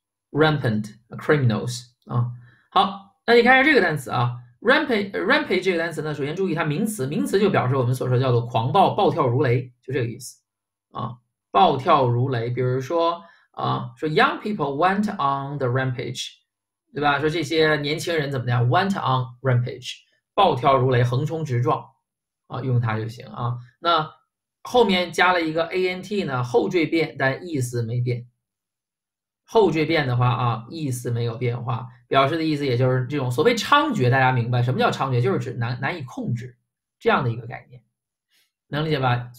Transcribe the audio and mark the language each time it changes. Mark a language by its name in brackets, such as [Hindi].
[English] rampant criminals [Chinese] 好，那你看一下这个单词啊，rampage 这个单词呢，首先注意它名词就表示我们所说叫做狂暴、暴跳如雷，就这个意思啊，暴跳如雷。比如说说 [English] young people went on the rampage， [Chinese] 对吧？说这些年轻人怎么样， [English] went on rampage， [Chinese] 暴跳如雷，横冲直撞啊，用它就行啊。那后面加了一个 ant 呢，后缀变，但意思没变。后缀变的话啊，意思没有变化，表示的意思也就是这种所谓猖獗，大家明白什么叫猖獗？就是指难以控制这样的一个概念，能理解吧？